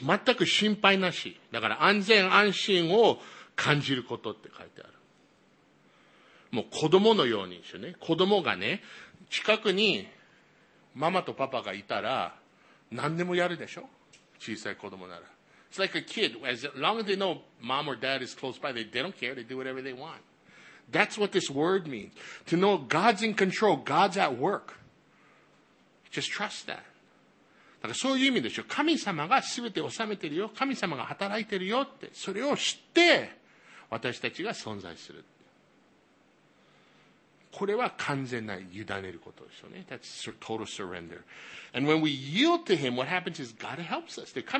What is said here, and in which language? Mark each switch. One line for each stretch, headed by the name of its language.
Japanese: で面白いんでしょこの元々の言語この信頼するってことってのはより頼めって書いてあるしねこれはバタっていう単語でバタっていう単語他の意味見るとねこの全く心配なしだから安全安心を 感じることって書いてある。もう子供のようにしてね。子供がね、近くにママとパパがいたら何でもやるでしょ。小さい子供なら。
English: It's like a kid. As long as they know mom or dad is close by, they don't care. They do whatever they want. That's what this word means. To know God's in control, God's at work. Just trust that.
Japanese: だからそういう意味でしょ。神様が全て治めてるよ。神様が働いてるよって。それを知って、 私たちが存在する。これは完全な委ねることでしょうね。
English: That's total surrender. And when we yield to Him, what happens is God helps us.